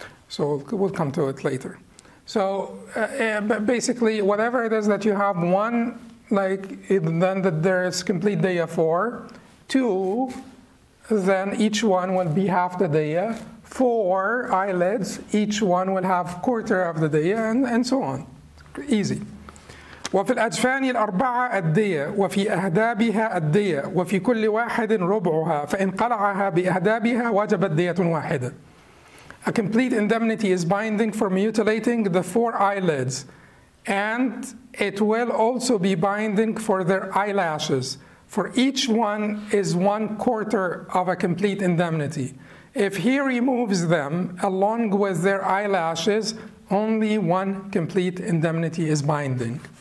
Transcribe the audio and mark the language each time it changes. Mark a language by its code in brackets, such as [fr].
[en] So we'll come to it later. So basically, whatever it is that you have, one, like, then that there is complete daya for. Two, then each one will be half the daya. Four, eyelids, each one will have quarter of the daya, and so on. Easy. [ar] وفي الأجفان الأربعة الدية وفي أهدابها الدية وفي كل واحد ربعها فإن قلعها بأهدابها وجبت دية واحدة. [en] A complete indemnity is binding for mutilating the four eyelids, and it will also be binding for their eyelashes. For each one is one quarter of a complete indemnity. If he removes them along with their eyelashes, only one complete indemnity is binding.